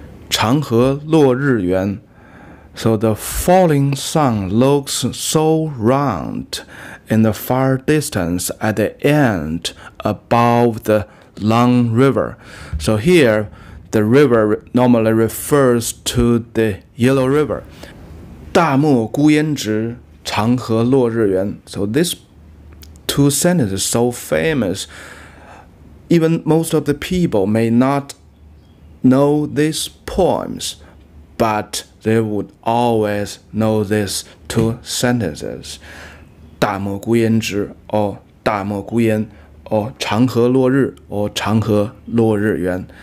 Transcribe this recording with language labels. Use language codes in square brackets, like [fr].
[zh] 长河落日圆, [en] so the falling sun looks so round in the far distance at the end above the long river. So here, the river normally refers to the Yellow River. [zh] 大漠孤烟直, 长河落日圆. [en] So these two sentences are so famous, even most of the people may not know these poems, but they would always know these two sentences. [zh] 大漠孤烟直, or 大漠孤烟, or 长河落日, or 长河落日圆.